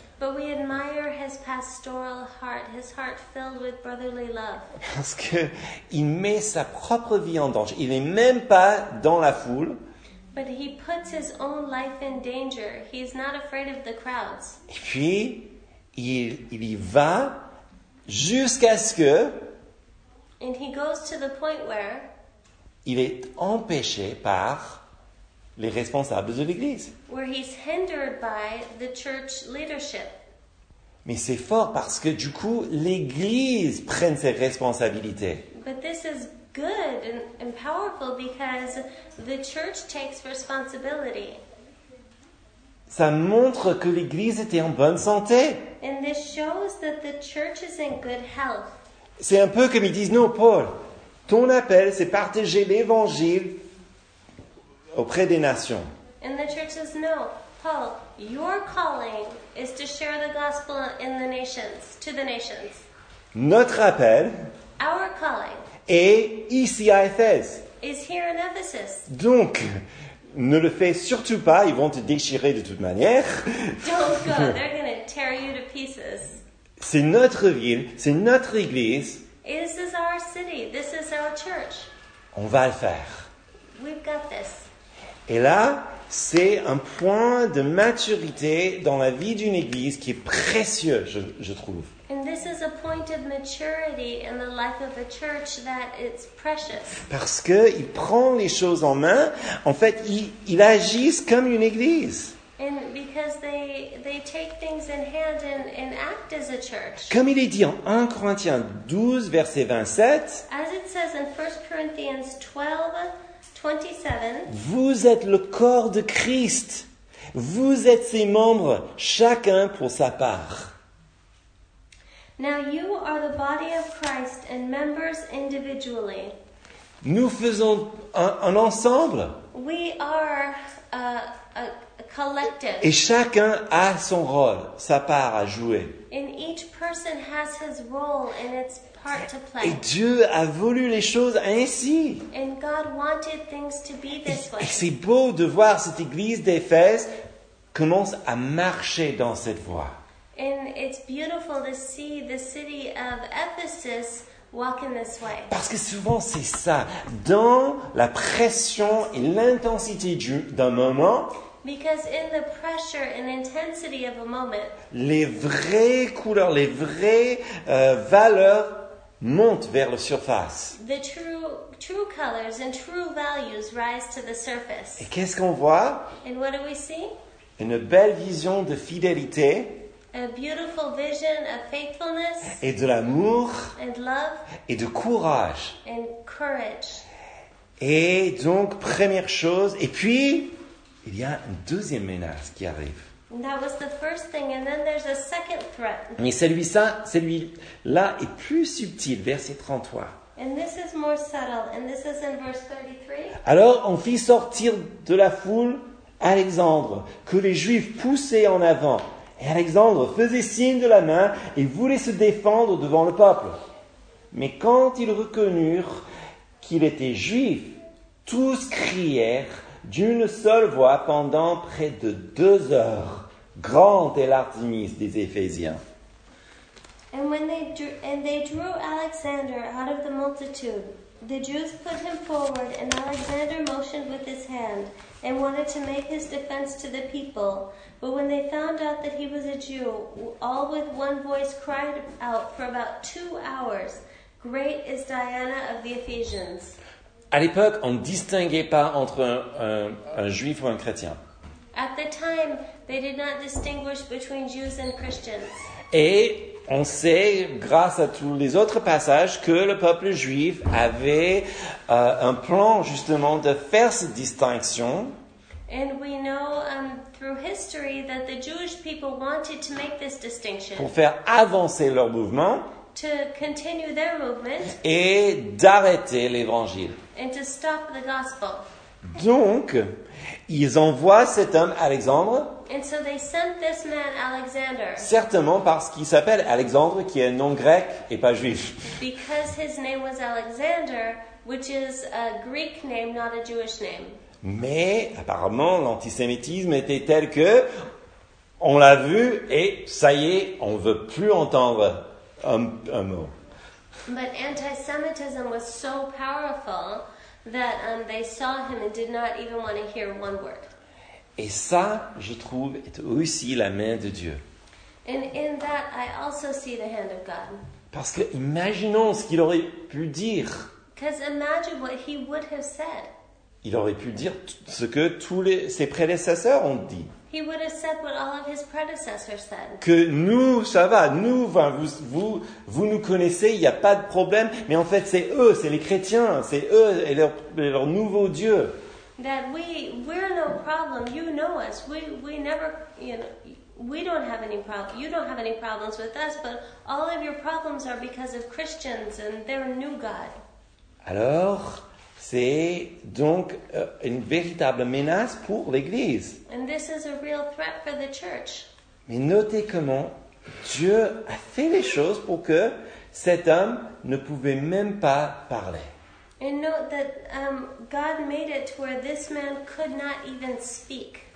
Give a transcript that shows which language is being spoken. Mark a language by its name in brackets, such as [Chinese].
[English] But we admire his pastoral heart, his heart filled with brotherly love. [French] Parce qu'il met sa propre vie en danger. Il n'est même pas dans la foule. [English] But he puts his own life in danger. He's not afraid of the crowds. [French] Et puis, il y va jusqu'à ce que... [English] And he goes to the point where... [French] Il est empêché par... les responsables de l'Église. [English] Where he's hindered by the church leadership. [French] Mais c'est fort parce que du coup, l'Église prend ses responsabilités. [English] But this is good and powerful because the church takes responsibility. [French] Ça montre que l'Église était en bonne santé. [English] And this shows that the church is in good health. [French] C'est un peu comme ils disent, non Paul, ton appel c'est partager l'Évangile auprès des nations. [English] And the church says, no, Paul, your calling is to share the gospel in the nations, to the nations. [French] Notre appel, [English] our calling, [French] est ici à Éphèse. [English] Is here in Ephesus. [French] Donc, ne le fais surtout pas, ils vont te déchirer de toute manière. [English] Don't go, they're going to tear you to pieces. [French] C'est notre ville, c'est notre église. [English] This is our city, this is our church. [French] On va le faire. [English] We've got this. [French] Et là, c'est un point de maturité dans la vie d'une église qui est précieux, je trouve. [English] And this is a point of maturity in the life of a church that it's precious. [French] Parce que il prend les choses en main, en fait, il agit comme une église. [English] And because they take things in hand and act as a church. [French] Comme il est dit en 1 Corinthiens 12 verset 27. [English] As it says in 1 Corinthians 12 27. [French] Vous êtes le corps de Christ. Vous êtes ses membres, chacun pour sa part. [English] Now you are the body of Christ and members individually. [French] Nous faisons un ensemble. [English] We are a collective. [French] Et chacun a son rôle, sa part à jouer. [English] And each person has his role and its part to play. [French] Et Dieu a voulu les choses ainsi. [English] And God wanted things to be this way. [French] Et c'est beau de voir cette église d'Éphèse commence à marcher dans cette voie. [English] And it's beautiful to see the city of Ephesus walk in this way. [French] Parce que souvent c'est ça, dans la pression et l'intensité d'un moment. [English] Because in the pressure and intensity of a moment, [French] les vraies couleurs, les vraies valeurs montent vers la surface. [English] The true colors and true values rise to the surface. [French] Et qu'est-ce qu'on voit? [English] And what do we see? [French] Une belle vision de fidélité. [English] A beautiful vision of faithfulness. [French] Et de l'amour. [English] And love. [French] Et de courage. [English] And courage. [French] Et donc, première chose. Et puis, il y a une deuxième menace qui arrive. [English] That was the first thing, and then there's a second threat. [French] Mais celui-là est plus subtil, verset 33. [English] And this is more subtle, and this is in verse 33. [French] Alors, on fit sortir de la foule Alexandre, que les Juifs poussaient en avant. Et Alexandre faisait signe de la main et voulait se défendre devant le peuple. Mais quand ils reconnurent qu'il était juif, tous crièrent d'une seule voix pendant près de 2 heures. Grande est l'Artémis des Éphésiens. [English] And when they drew Alexander out of the multitude, the Jews put him forward, and Alexander motioned with his hand and wanted to make his defense to the people. But when they found out that he was a Jew, all with one voice cried out for about 2 hours, "Great is Diana of the Ephesians." [French] À l'époque, on ne distinguait pas entre un juif ou un chrétien. [English] At the time, they did not distinguish between Jews and Christians. [French] Et on sait, grâce à tous les autres passages, que le peuple juif avait un plan, justement, de faire cette distinction. [English] And we know through history that the Jewish people wanted to make this distinction. [French] Pour faire avancer leur mouvement. [English] To continue their movement. [French] Et d'arrêter l'évangile. [English] And to stop the gospel. [French] Donc, ils envoient cet homme, Alexandre. [English] And so they sent this man, Alexander. [French] Certainement parce qu'il s'appelle Alexandre, qui est un nom grec et pas juif. [English] Because his name was Alexander, which is a Greek name, not a Jewish name. [French] Mais apparemment, l'antisémitisme était tel que on l'a vu et ça y est, on ne veut plus entendre un mot. [English] But antisemitism was so powerful that they saw him and did not even want to hear one word. [French] Et ça, je trouve, est aussi la main de Dieu. [English] And in that, I also see the hand of God. [French] Parce que imaginons ce qu'il aurait pu dire. [English] Because imagine what he would have said. [French] Il aurait pu dire ce que tous ses prédécesseurs ont dit. [English] He would have said what all of his predecessors said. [French] Que nous, ça va, nous, vous nous connaissez, il n'y a pas de problème. Mais en fait, c'est eux, c'est les chrétiens, c'est eux et leur nouveau Dieu. [English] That we're no problem. You know us. We don't have any problem. You don't have any problems with us. But all of your problems are because of Christians and their new God. [French] Alors, c'est donc une véritable menace pour l'Église. [English] And this is a real threat for the church. [French] Mais notez comment Dieu a fait les choses pour que cet homme ne pouvait même pas parler. [English] And note that God made it to where this man could not even speak.